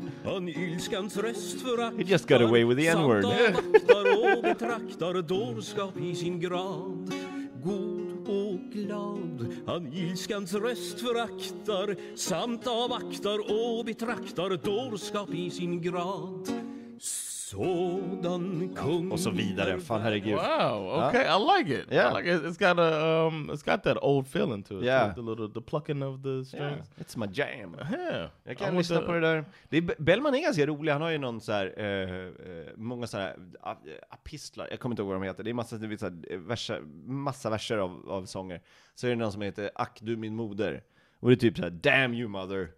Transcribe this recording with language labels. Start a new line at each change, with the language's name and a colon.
English: He just got away with the N-word.
Swedish: God och glad, han ilskans röst föraktar, samt avaktar och betraktar dårskap i sin grad. Sådan kung. Och så vidare, fan herregud.
English: Wow, okay, I like it. Yeah. I like it. It's got a, it's got that old feeling to it. Yeah. Like the little, the plucking of the strings. Yeah. It's my jam. Yeah.
Swedish: Jag kan lyssna på det där. Det är Bellman är ganska rolig, han har ju någon så här, många så här apistlar, jag kommer inte ihåg vad de heter. Det är massa, det finns så här, verser, massa verser av sånger. Så är det någon som heter Ack du min moder. Och det är typ så här,
English: damn you mother.